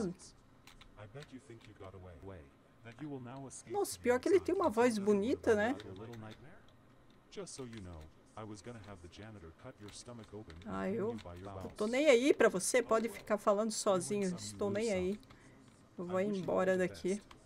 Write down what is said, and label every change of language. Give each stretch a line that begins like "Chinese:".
English: I bet you think you got away. That you will now escape.
Portuguese: Nossa, pior que ele tem uma voz bonita, né?
English: Just so you know, I was gonna have the janitor cut your stomach open.
Portuguese: Ah, eu? Tô nem aí pra você. Pode ficar falando sozinho. Estou nem aí. Eu vou embora daqui.